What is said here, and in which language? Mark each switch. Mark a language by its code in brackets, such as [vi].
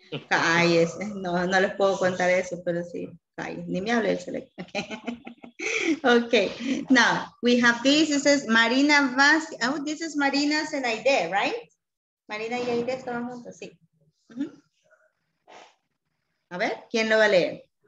[es] Ay, no les puedo contar eso, pero sí, ay, ni me hable el selecto. [en] Okay, now we have this, it says Marina Vázquez, oh, this is Marina's and Aide, right? [es] Marina y Aide estaban juntos, sí. Uh-huh. A ver, ¿quién lo va a leer?